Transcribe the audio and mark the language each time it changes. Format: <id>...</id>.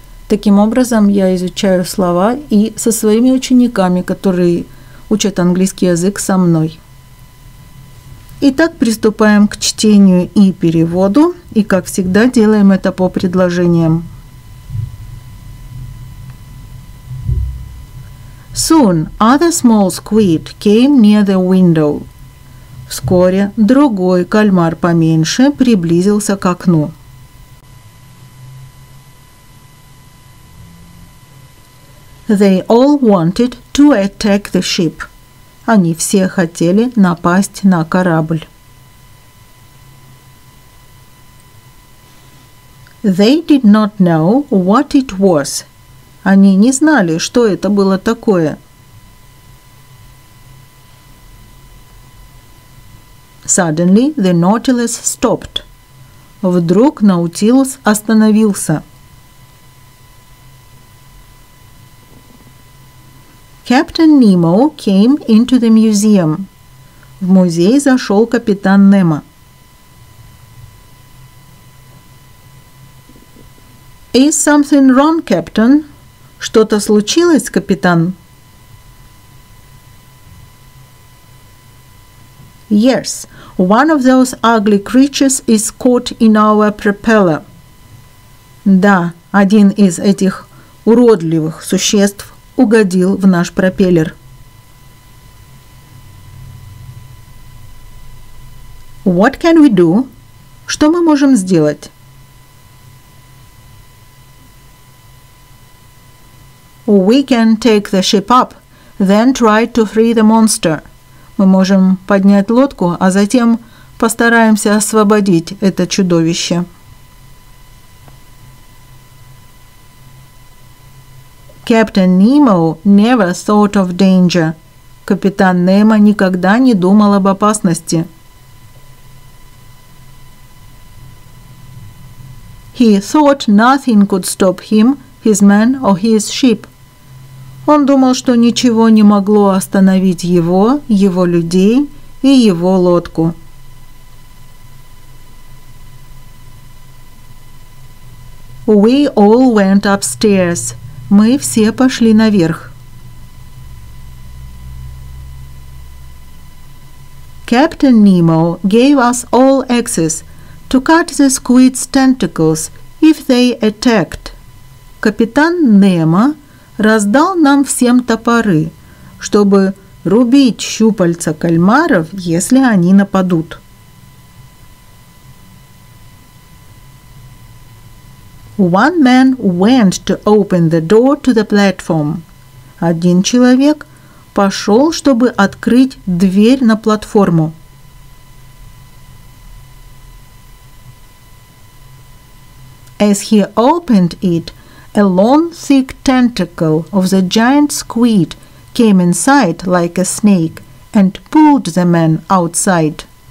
<ru>Таким образом, я изучаю слова и со своими учениками, которые учат английский язык со мной. Итак, приступаем к чтению и переводу, и, как всегда, делаем это по предложениям.</ru> <en>Soon other small squid came near the window.</en> <ru>Вскоре другой кальмар поменьше приблизился к окну.</ru> <en>They all wanted to attack the ship.</en> <ru>Они все хотели напасть на корабль.</ru> <en>They did not know what it was.</en> <ru>Они не знали, что это было такое.</ru> <en>Suddenly the Nautilus stopped.</en> <ru>Вдруг Наутилус остановился.</ru> <en>Captain Nemo came into the museum.</en> <ru>В музей зашел капитан Немо.</ru> <en>Is something wrong, Captain?</en> <ru>Что-то случилось, капитан?</ru> <en>Yes, one of those ugly creatures is caught in our propeller.</en> <ru>Да, один из этих уродливых существ угодил в наш пропеллер.</ru> <en>What can we do?</en> <ru>Что мы можем сделать?</ru> <en>We can take the ship up, then try to free the monster.</en> <ru>Мы можем поднять лодку, а затем постараемся освободить это чудовище.</ru> <en>Captain Nemo never thought of danger.</en> <ru>Капитан Немо никогда не думал об опасности.</ru> <en>He thought nothing could stop him, his men or his ship.</en> <ru>Он думал, что ничего не могло остановить его, его людей и его лодку.</ru> <en>We all went upstairs.</en> <ru>Мы все пошли наверх.</ru> <en>Captain Nemo gave us all access to cut the squid's tentacles if they attacked.</en> <ru>Капитан Немо раздал нам всем топоры, чтобы рубить щупальца кальмаров, если они нападут.</ru> <en>One man went to open the door to the platform.</en> <ru>Один человек пошел, чтобы открыть дверь на платформу.</ru> <en>As he opened it, a long thick tentacle of the giant squid came inside like a snake and pulled the man outside.</en>